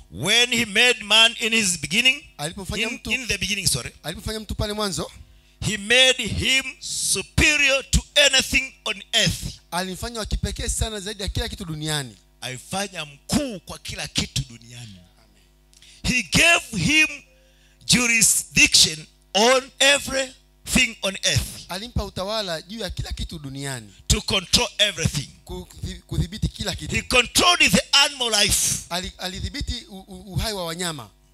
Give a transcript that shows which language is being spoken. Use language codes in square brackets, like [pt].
[en] when he made man in his beginning, [sw] alipofanya mtu alipofanya mtu pale mwanzo, [en] he made him superior to anything on earth. [sw] Alifanya wa kipekee sana zaidi ya kila kitu duniani. Alifanya mkuu kwa kila kitu duniani. [en] Amen. He gave him jurisdiction on every everything on earth. [sw] Alimpa utawala juu ya kila kitu duniani. [en] To control everything. [sw] Kudhibiti kila kitu. [en] He controlled the animal life. [sw] Alidhibiti uhai wa wanyama.